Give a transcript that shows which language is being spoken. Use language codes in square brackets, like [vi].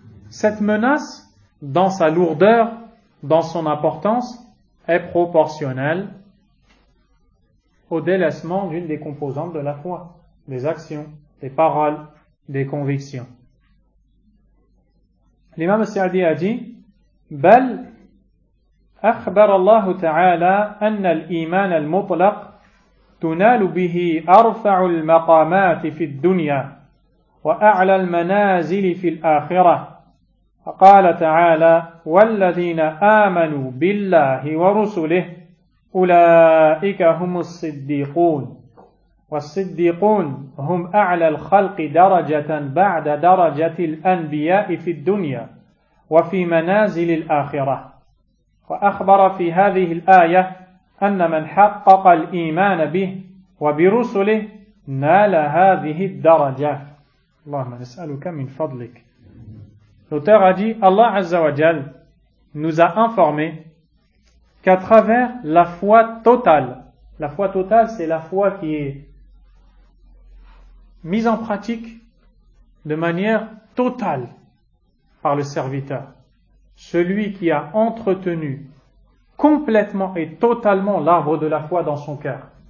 [fr] Cette menace, dans sa lourdeur, dans son importance, est proportionnelle au délaissement d'une des composantes de la foi, des actions, des paroles, des convictions. L'imam al-Sa'di a dit: [ar] بل أخبر الله تعالى أن الإيمان المطلق تنال به أرفع المقامات في الدنيا وأعلى المنازل في الآخرة. قال تعالى: والذين آمنوا بالله ورسله أولئك هم الصديقون والصديقون هم أعلى الخلق درجة بعد درجة الأنبياء في الدنيا وفي منازل الآخرة. وأخبر في هذه الآية أن من حقق الإيمان به وبرسله نال هذه الدرجة. اللهم نسألك من فضلك. [fr] L'auteur a dit: Allah Azza wa Jal nous a informé qu'à travers la foi totale, c'est la foi qui est mise en pratique de manière totale par le serviteur, celui qui a entretenu complètement et totalement l'arbre de la foi dans son cœur.